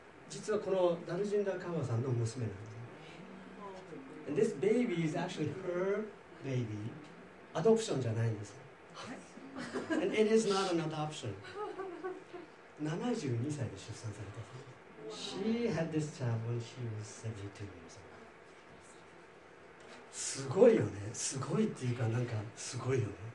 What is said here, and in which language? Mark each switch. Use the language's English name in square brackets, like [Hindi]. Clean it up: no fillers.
[Japanese] 実はこのダルジンダーカウアさんの娘なんです。 [English] And this baby is actually her baby. [Japanese] アドプションじゃないんです。 [English] And it is not an adoption. [Japanese] 72歳で出産されたんです。 [English] She had this child when she was 72 years old. [Japanese] すごいよね。すごいっていうか、なんかすごいよね。